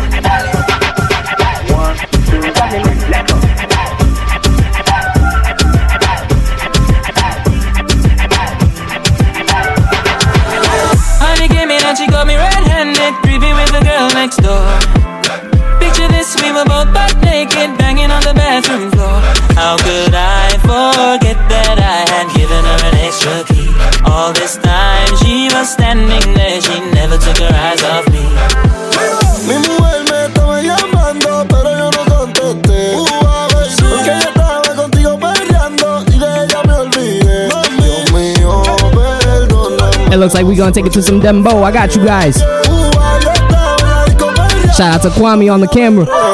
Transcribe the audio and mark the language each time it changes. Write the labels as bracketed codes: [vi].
[en] Honey came in and she got me red-handed, creepy with the girl next door. Picture this, we were both butt naked, banging on the bathroom floor. How could I forget that I had given her an extra key? All this time she was standing there, she never took her eyes off me. [es] Mi mujer me estaba llamando, pero yo no contesté. Porque ella estaba contigo perreando y de ella me olvidé. Dios mío, perdóname. [en] It looks like we're gonna take it to some dembow. I got you guys. Shout out to Kwame on the camera.